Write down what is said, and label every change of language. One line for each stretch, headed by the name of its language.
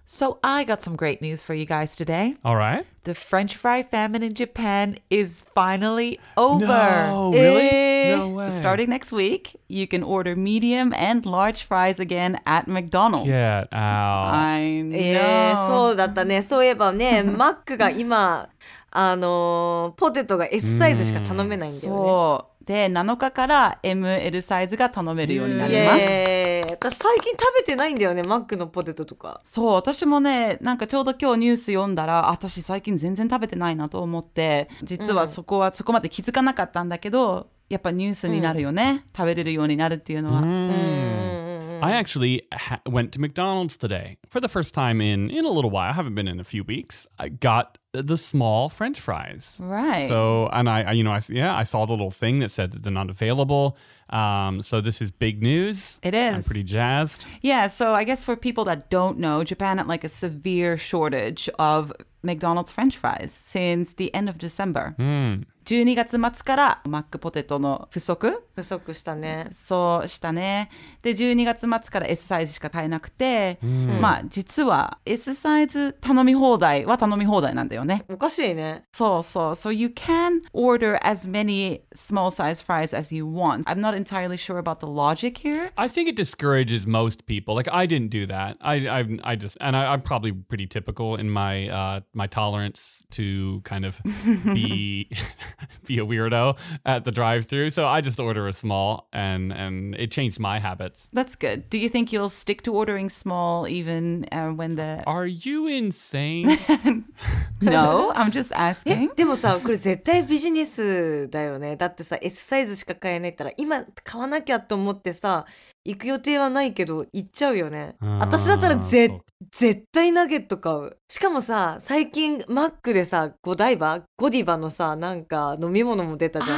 English: So I got some great news for you guys today. All right. The French fry famine in Japan is finally over. No, really? No way. Starting next week, you can order medium and large fries again at McDonald's. Get out. I know.
Japanese: そうだったね。そういえばね、マックが今、ポテトが S サイズしか頼めないんだよね。そう。で、7日から ML サイズが頼めるようになります。私最近食べてないんだよね、マックのポテトとか。そう、私もね、なんかちょうど今日ニュース読んだら、私最近全然食べてないなと思って、実はそこはそこまで気づかなかったんだけど、うん、やっぱニュースになるよね、うん、食べれるようになるっていうのは。
English: I actually went to McDonald's today for the first time in a little while. I haven't been in a few weeks. I got the small French fries. Right. So, and I saw the little thing that said that they're not available. So this is big news. It is. I'm pretty jazzed. Yeah, so I guess for people that don't know, Japan had like a severe shortage of McDonald's French fries since the end of December. Mm.
Japanese: 12月末からマックポテトの不足したね。そうしたね。で、12月末から S サイズしか買えなくて、まあ実は S サイズ頼み放題は頼み放題なんだよね。おかしいね。そうそう。
English: So you can order as many small size fries as you want. I'm not entirely sure about the logic here. I think it discourages most people. Like I didn't do that. I'm probably pretty typical in my my tolerance to kind of be a weirdo at the drive-thru. So I just order a small and it changed my habits. That's good. Do you think you'll stick to ordering small even when the... Are you insane? No, I'm just asking.
Japanese: でもさ、これ絶対ビジネスだよね。だってさ、S サイズしか買えないったら今買わなきゃと思ってさ、行く予定はないけど行っちゃうよね。私だったら絶対ナゲット買う。しかもさ、最近マックでさ、ゴディバのさ、なんか飲み物も出たじゃん。